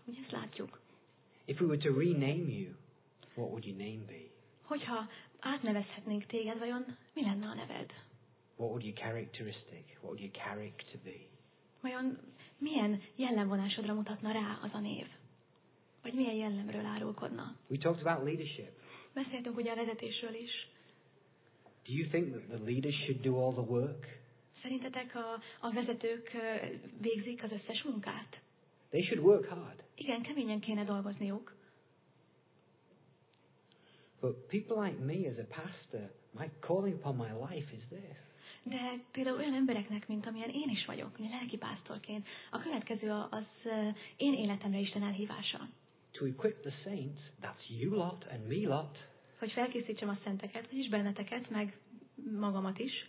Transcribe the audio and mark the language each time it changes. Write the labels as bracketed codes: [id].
[hu] Ugye ezt látjuk. [en] If we were to rename you, what would your name be? [hu] Hogyha átnevezhetnénk téged, vajon mi lenne a neved? [en] What would your characteristic, what would your character be? [hu] Vajon milyen jellemvonásodra mutatna rá az a név? Vagy milyen jellemről árulkodna? [en] We talked about leadership. [hu] Beszéltünk ugye a vezetésről is. [en] Do you think that the leaders should do all the work? [hu] Szerintetek a vezetők végzik az összes munkát? [en] They should work hard. [hu] Igen, keményen kéne dolgozniuk. [en] But people like me as a pastor, my calling upon my life is this. [hu] De például olyan embereknek, mint amilyen én is vagyok, mi lelki pásztorként, a következő az én életemre Isten elhívása. [en] To equip the saints, that's you lot and me lot. [hu] Hogy felkészítsem a szenteket, vagyis benneteket, meg magamat is.